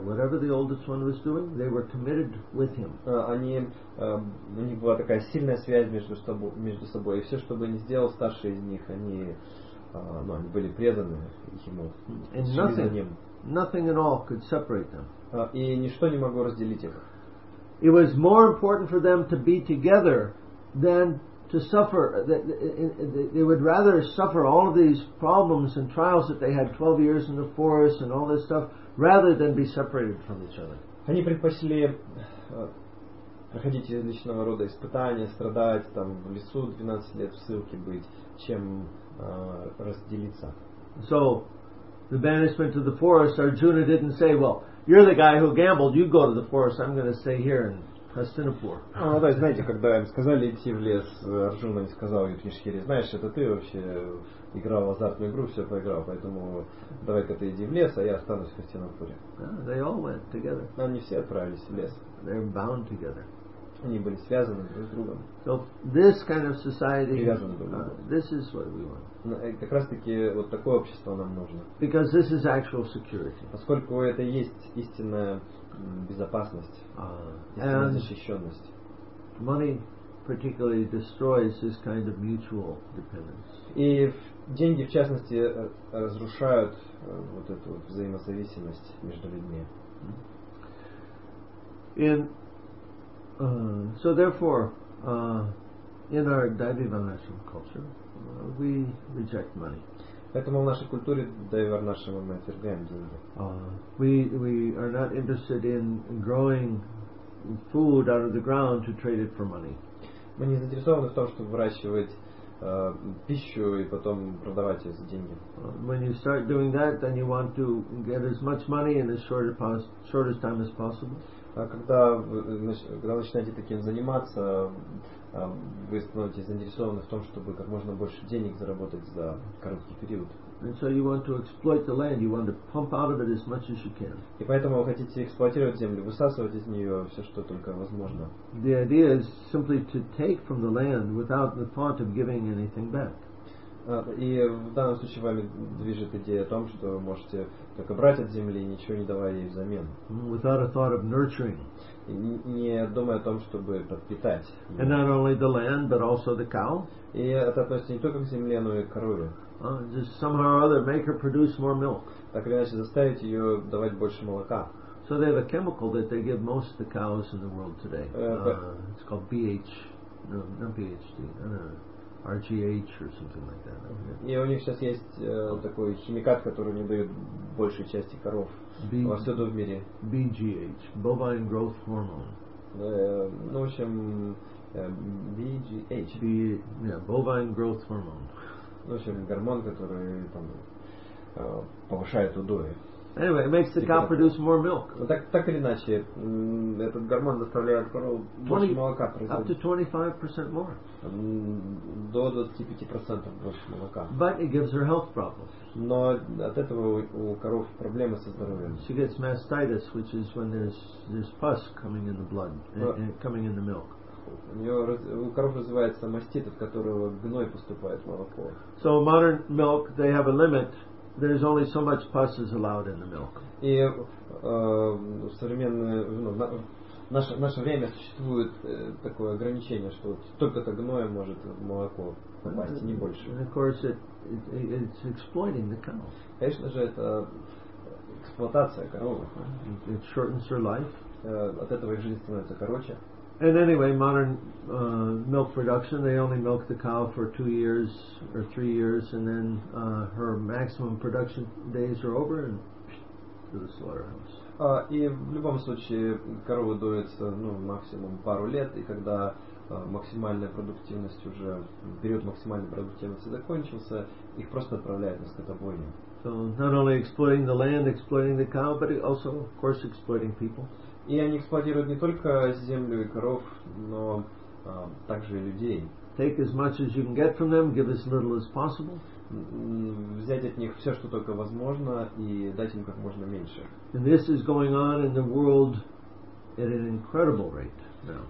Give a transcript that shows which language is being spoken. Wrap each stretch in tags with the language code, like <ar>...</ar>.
<en>Whatever the oldest one was doing, they were committed with him.</en> <ru>Они, у них была такая сильная связь между собой. И все, что бы ни сделал старший из них, они, ну, они были преданы ему.</ru> <en>And nothing at all could separate them.</en> <ru>И ничто не могло разделить их.</ru> <en>It was more important for them to be together than to suffer. They would rather suffer all of these problems and trials that they had 12 years in the forest and all this stuff, rather than be separated from each other.</en> <ru>Они предпочли проходить различного рода испытания, страдать там в лесу 12 лет в ссылке быть, чем разделиться.</ru> <en>So, the banishment to the forest, Arjuna didn't say, well, you're the guy who gambled, you go to the forest, I'm going to stay here and Hastinapur.</en> <ru>Ну да, знаете, когда им сказали идти в лес, Арджуна не сказал Юдхиштхире, знаешь, это ты вообще играл в азартную игру, все поиграл, поэтому давай-ка ты иди в лес, а я останусь в Хастинапуре.</ru> <en>They all went together.</en> <ru>Они все отправились в лес.</ru> <en>They're bound together.</en> <ru>Они были связаны друг с другом.</ru> <en>So this kind of society, this is what we want.</en> <ru>Как раз таки вот такое общество нам нужно.</ru> <en>Because this is actual security.</en> <ru>Поскольку это есть истинная безопасность, истинная защищенность.</ru> <en>Money particularly destroys this kind of mutual dependence.</en> <ru>И деньги, в частности, разрушают вот эту взаимозависимость между людьми.</ru> <en>In so therefore, in our Daivivarnashram culture, we reject money.</en> <ru>Поэтому в нашей культуре Даививарнашрама мы отвергаем деньги.</ru> <en>We are not interested in growing food out of the ground to trade it for money.</en> <ru>Мы не заинтересованы в том, чтобы выращивать пищу и потом продавать ее за деньги.</ru> <en>When you start doing that, then you want to get as much money in the shortest time as possible.</en> <ru>Когда начинаете таким заниматься, вы становитесь заинтересованы в том, чтобы как можно больше денег заработать за короткий период.</ru> <en>And so you want to exploit the land, you want to pump out of it as much as you can.</en> <ru>И поэтому вы хотите эксплуатировать землю, высасывать из нее все, что только возможно.</ru> <en>The idea is simply to take from the land without the thought of giving anything back.</en> <ru>И в данном случае вами движет идея о том, что вы можете только брать от земли, ничего не давая ей взамен.</ru> <en>Without a thought of nurturing.</en> <ru>Не думая о том, чтобы подпитать.</ru> <en>And not only the land, but also the cow.</en> <ru>И это относится не только к земле, но и к корове.</ru> <en>Just somehow or other make her produce more milk.</en> <ru>Так или иначе заставить ее давать больше молока.</ru> <en>So they have a chemical that they give most of the cows in the world today. It's called BH. No, not BHD. RGH or something like that.</en> <ru>И у них сейчас есть такой химикат, который не дают большей части коров повсюду в мире.</ru> <en>BGH, bovine growth hormone.</en> <ru>Ну, в общем, BGH.</ru> <en>Bovine growth hormone.</en> <ru>В общем, гормон, который там повышает удои.</ru> <en>Anyway, it makes the cow produce more milk.</en> <ru>Так или иначе, этот гормон заставляет корову больше молока производить.</ru> <en>Up to 25% more.</en> <ru>До 25% больше молока.</ru> <en>But it gives her health problems.</en> <ru>Но от этого у коров проблемы со здоровьем.</ru> <en>She gets mastitis, which is when there's pus coming in the blood, coming in the milk.</en> <ru>У коров развивается мастит, от которого гной поступает в молоко.</ru> <en>So modern milk, they have a limit. There's only so much pus is allowed in the milk.</en> <ru>И в наше время существует такое ограничение, что только-то гноя может в молоко попасть, не больше.</ru> <en>And of course, it's exploiting the cow.</en> <ru>Конечно же, это эксплуатация коровы.</ru> <en>It shortens her life.</en> <ru>От этого их жизнь становится короче.</ru> <en>And anyway, modern milk production, they only milk the cow for 2 years or 3 years, and then her maximum production days are over, and to the slaughterhouse.</en> <ru>И в любом случае, корова доится, ну, максимум пару лет, и когда максимальная продуктивность уже, период максимальной продуктивности закончился, их просто отправляют на скотобойню.</ru> <en>So, not only exploiting the land, exploiting the cow, but also, of course, exploiting people.</en> <ru>И они эксплуатируют не только землю и коров, но также и людей.</ru> <en>Take as much as you can get from them, give as little as possible.</en> <ru>Взять от них все, что только возможно, и дать им как можно меньше.</ru> <en>And this is going on in the world at an incredible rate now.</en>